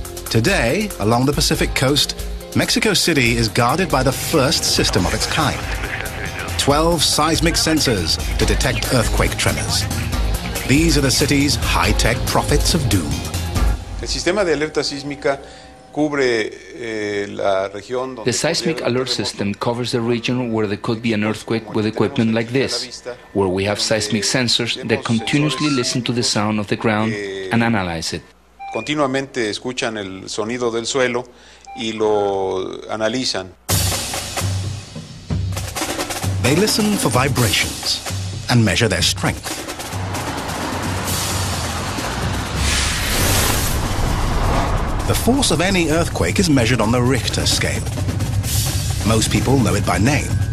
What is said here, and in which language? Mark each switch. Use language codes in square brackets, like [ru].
[en] Today, along the Pacific coast, Mexico City is guarded by the first system of its kind. 12 seismic sensors to detect earthquake tremors. These are the city's high-tech prophets of doom. [es] El sistema de alerta sísmica cubre la región donde [en] the seismic alert system covers the region where there could be an earthquake with equipment like this, where we have seismic sensors that continuously listen to the sound of the ground and analyze it. [es] Continuamente escuchan el sonido del suelo y lo analizan. [en] They listen for vibrations and measure their strength. The force of any earthquake is measured on the Richter scale. Most people know it by name.